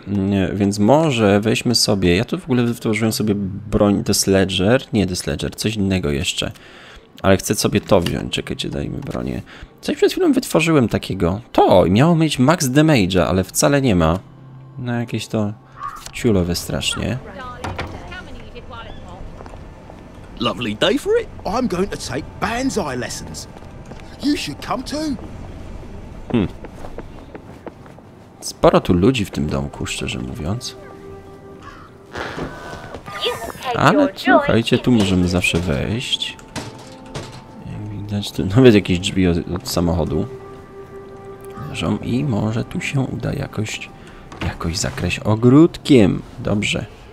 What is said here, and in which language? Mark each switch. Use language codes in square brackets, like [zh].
[pl] Nie, więc może weźmy sobie, ja tu w ogóle wytworzyłem sobie broń The Sledger, nie The Sledger, coś innego jeszcze. Ale chcę sobie to wziąć, czekajcie, dajmy bronię. Coś przed chwilą wytworzyłem takiego, to miało mieć max damage'a, ale wcale nie ma. No jakieś to ciulowe strasznie. [en] Lovely day for it. I'm going to take banzai lessons. You should come too. [pl] Sporo tu ludzi w tym domku, szczerze mówiąc. Ale słuchajcie, tu możemy zawsze wejść. Jak widać, tu nawet jakieś drzwi od samochodu leżą i może tu się uda jakoś zakryć ogródkiem. Dobrze.